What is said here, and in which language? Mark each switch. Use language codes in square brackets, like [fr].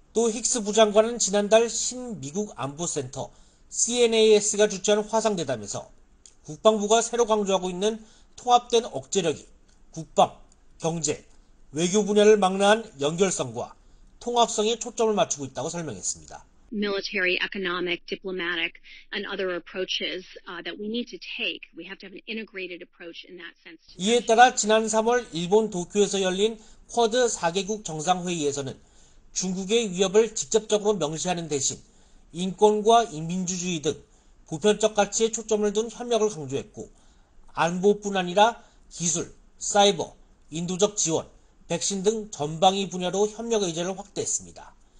[ko] 또 힉스 부장관은 지난달 신미국 안보센터 CNAS가 주최한 화상대담에서 국방부가 새로 강조하고 있는 통합된 억제력이 국방, 경제, 외교 분야를 막론한 연결성과 통합성에 초점을 맞추고 있다고 설명했습니다. [en] Military, economic, diplomatic, and other approaches that we need to take. We have to have an integrated approach in that sense. [ko] 이에 따라 지난 3월 일본 도쿄에서 열린 쿼드 4개국 정상회의에서는 중국의 위협을 직접적으로 명시하는 대신 인권과 인민주의 등 보편적 가치에 초점을 둔 협력을 강조했고 안보뿐 아니라 기술, 사이버, 인도적 지원, 백신 등 전방위 분야로 협력 의제를 확대했습니다.